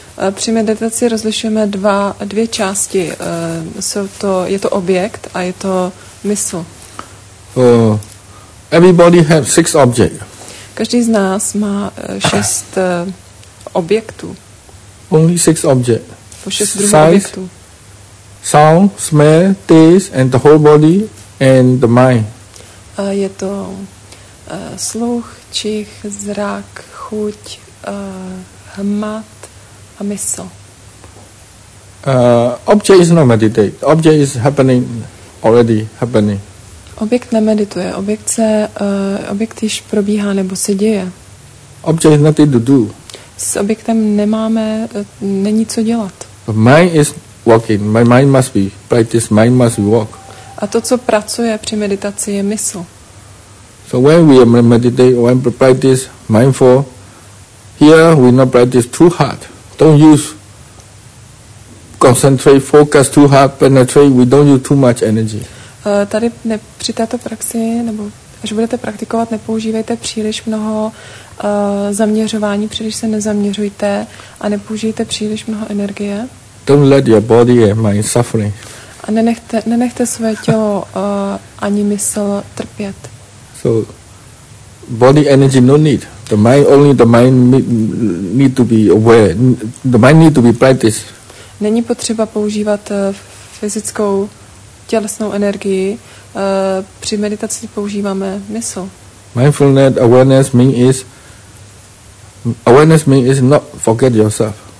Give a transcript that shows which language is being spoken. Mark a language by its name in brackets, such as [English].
[Czech] Při meditaci rozlišujeme dvě části. Je to objekt a je to mysl. [English] Everybody have six objects. [Czech] Každý z nás má šest objektů. [English] Only six objects. [Czech] Šest druhů objektů. [English] Sound, smell, taste and the whole body and the mind. [Czech] Je to sluch, čich, zrak, chuť, hmat a mysl. [English] Object is not meditate. Object is happening, already happening. [Czech] Objekt nemedituje. Objekt již probíhá nebo se děje. [English] Object is nothing to do. [Czech] S objektem nemáme, není co dělat. [English] But mind is walking. My mind must be practice. Mind must walk. [Czech] A to, co pracuje při meditaci, je mysl. [English] So when we meditate, when we practice mindful, here we not practice too hard. Don't use concentrate, focus too hard, penetrate, we don't use too much energy. [Czech] Tady při této praxi, nebo až budete praktikovat, nepoužívejte příliš mnoho zaměřování, příliš se nezaměřujte a nepoužijte příliš mnoho energie. [English] Don't let your body and mind suffering. [Czech] A nenechte své tělo ani mysl trpět. [English] So body energy no need. The mind only the mind need to be aware. The mind need to be practiced. [Czech] Není potřeba používat fyzickou tělesnou energii. Při meditaci používáme mysl. [English] Mindfulness awareness mean is awareness means not forget yourself.